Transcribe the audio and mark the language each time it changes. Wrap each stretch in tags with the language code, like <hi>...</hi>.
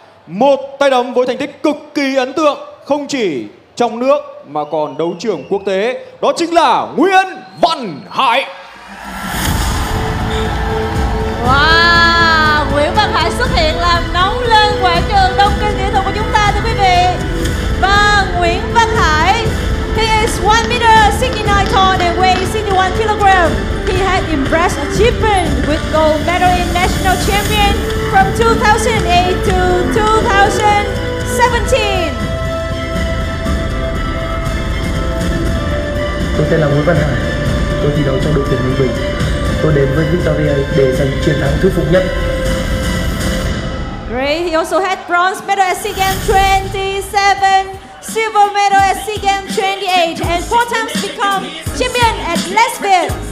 <vi>Một tay đấm với thành tích cực kỳ ấn tượng, không chỉ trong nước mà còn đấu trường quốc tế. Đó chính là Nguyễn Văn Hải. Wow, Nguyễn Văn Hải xuất hiện làm nóng lên quảng trường Đông Kinh nghệ thuật của chúng ta thưa quý vị.</vi> <en>Và Nguyễn Văn Hải, he is 1 meter 69 tall and weighs 61 kilograms. He had impressed achievement with gold medal in national champion from 2008 to 2017.</en> <vi>Tôi tên là Nguyễn Văn Hải, tôi thi đấu trong đội tuyển Ninh Bình. Tôi đến với Victoria để giành chiến thắng thuyết phục nhất.</vi> <en>Great, he also had bronze medal at SEA Games 27. Silver medal at SEA Games 28 and 4 times become champion at Lesbian.</en>